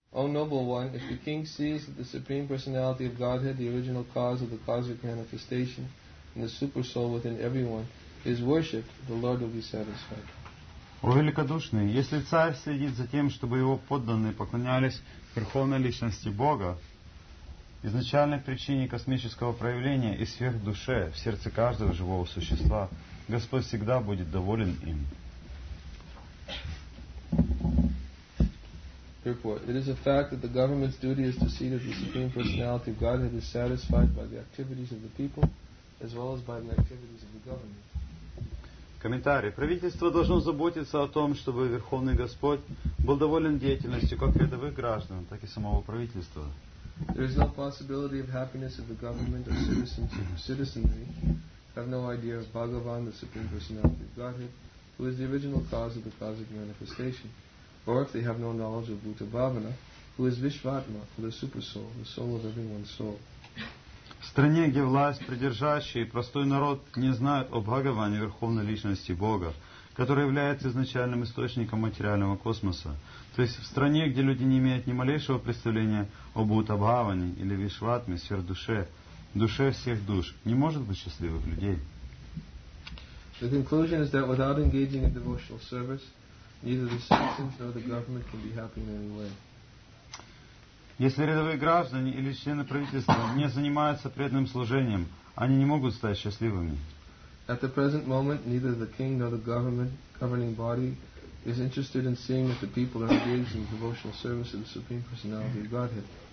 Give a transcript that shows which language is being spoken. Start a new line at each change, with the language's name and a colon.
English: O noble one, if the king sees that the Supreme Personality of Godhead, the original cause of the cosmic manifestation, and the super soul within everyone, is worshipped, the Lord will be satisfied.
Russian: О великодушный, если царь следит за тем, чтобы его подданные поклонялись Верховной Личности Бога, изначальной причине космического проявления и сверхдуше в сердце каждого живого существа, Господь всегда будет доволен им.
English: Therefore, it is a fact that the government's duty as the seat of the Supreme Personality of Godhead is satisfied by the activities of the people as well as by the activities of the government.
Russian: Комментарий. Правительство должно заботиться о том, чтобы Верховный Господь был доволен деятельностью как рядовых граждан, так и самого правительства.
English: There is no possibility of happiness if the government or citizenry have no idea of Bhagavan, the Supreme Personality of Godhead, who is the original cause of the cosmic manifestation, or if they have no knowledge of Bhuta Bhavana, who is Vishvatma, the super soul, the soul of everyone's soul.
Russian: В стране, где власть придержащие, простой народ не знает о Бхагаване, Верховной Личности Бога, который является изначальным источником материального космоса. То есть в стране, где люди не имеют ни малейшего представления о Бхута Бхаване или Вишватме, сверхдуше, душе всех душ, не может быть счастливых людей.
English: The conclusion is that without engaging in devotional service, neither the citizens nor the government can be happy in any way.
Russian: Если рядовые граждане или члены правительства не занимаются преданным служением, они не могут стать счастливыми.
English: At the present moment, neither the king nor the government governing body is interested in seeing that the people are engaged in devotional service of the Supreme Personality of Godhead.